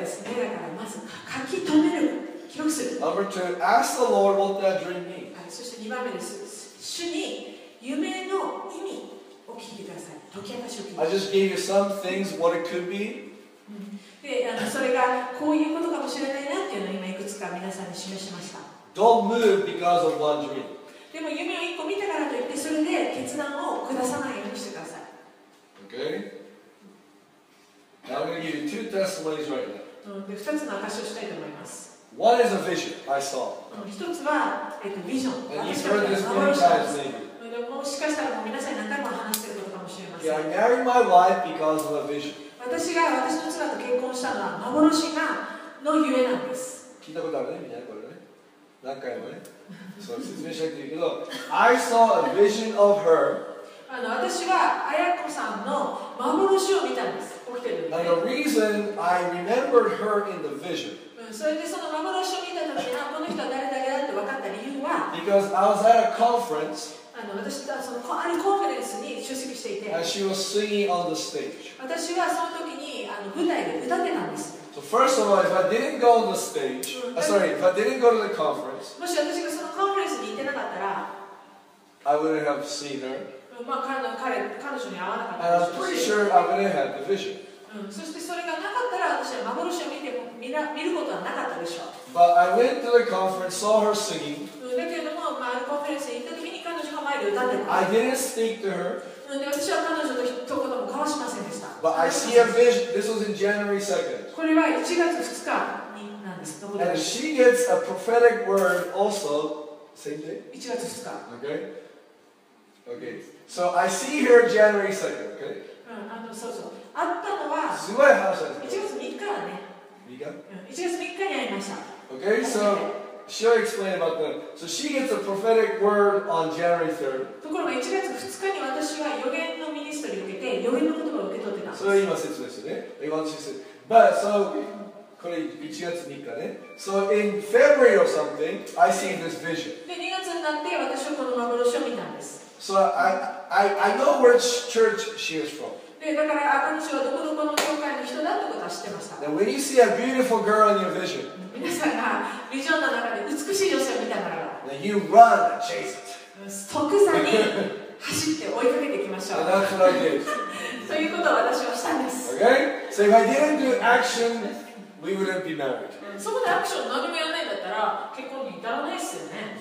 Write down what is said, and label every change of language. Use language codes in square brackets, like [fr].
[ja] ですね。だからまず書き留める、記録する。 [en] Number two, ask the Lord what that dream means. [ja] そして2番目です。主に夢の意味を聞いてください。解き明かしを聞いて。 [en] I just gave you some things what it could be. [ja] でそれがこういうことかもしれないなっていうのを今いくつか皆さんに示しました。 [en] Don't move because of one dream. [ja] でも夢を一個見たからといってそれで決断を下さないようにしてください。 [en] Okay. Now I'm going to give you two testimonies right now. [ja] 2つの証をしたいと思います。 [en] One is a vision I saw. [ja] 一つはビジョン。 [en] And you've heard this many times, maybe. [ja] もしかしたら皆さんに何回も話していることかもしれません。 [en] Yeah, I married my wife because of a vision. [ja] 私が私の妻と結婚したのは幻がのゆえなんです。聞いたことあるね、みんなこれね。何回もね。そう説明しなくていいけど、 [en] I saw a vision of her。 [ja] 私は彩子さんの幻を見たんです。起きてる。 [en] And the reason I remembered her in the vision。 [ja] それでその幻を見たときに、この人は誰だけだって分かった理由は、 [en] Because I was at a conference。 [ja] 私はそのあるコンフェレンスに出席していて、 [en] And she was singing on the stage. [ja] 私はその時に舞台で歌ってたんです。 [en] So first of all, if I didn't go on the stage, sorry, if I didn't go to the conference, [ja] もし私がそのコンフェレンスに行ってなかったら、 [en] I wouldn't have seen her. [ja] 彼女に会わなかった [en] し。And I'm pretty sure I wouldn't have had the vision. [ja] そしてそれがなかったら私は幻を見ることはなかったでしょう。 [en] But I went to the conference, saw her singing. [ja] だけども、あるコンフェレンスに行った時に。 [en] I didn't speak to her. [ja] 私は彼女と一言も交わしませんでした。 [en] But I see a vision. This was in January 2nd. [ja] これは1月2日になんです。 [en] And she gets a prophetic word also. Same day? [ja] 1月2日。 [en] Okay. Okay. So I see her January 2nd. Okay. [ja] そうそう。会ったのは。すごい話だ。 1月3日だね。 3日？ 1月3日に会いました。 [en] Okay. So. She'll explain about that. So she gets a prophetic word on January 3rd. [ja] ところが1月2日に私は予言のミニストリーを受けて、予言の言葉を受け取ってた。それ今説明してね。 [en] I want to say. But so, [ja] これ1月3日ね。 [en] So in February or something, I see this vision. [ja] で、2月になって私はこの幻を見たんです。 [en] So I know which church she is from. [ja] でだから彼女はどこどこの教会の人だってことは知ってました。 [en] Now, when you see a beautiful girl in your vision, [ja] 皆さんがビジョンの中で美しい女性を見たならば、 [en] Now, you run and chase it. [ja] 即座に走って追いかけていきましょう。 [en] And that's what I did. [ja] そういうことを私はしたんです。 [en] Okay? So if I didn't do action, we wouldn't be married. [ja] そこでアクション何もやらないんだったら結婚に至らないですよね。